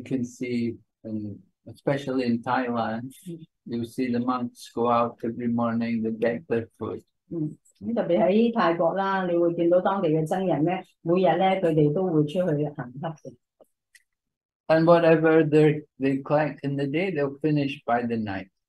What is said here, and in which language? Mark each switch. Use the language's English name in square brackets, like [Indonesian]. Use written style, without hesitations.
[English] can see, and especially in Thailand, you see the monks go out every morning to beg their food. [Cantonese] 特別喺泰國啦，你會見到當地嘅僧人咧，每日咧佢哋都會出去行乞嘅。 [English] And whatever they collect in the day, they'll finish by the night.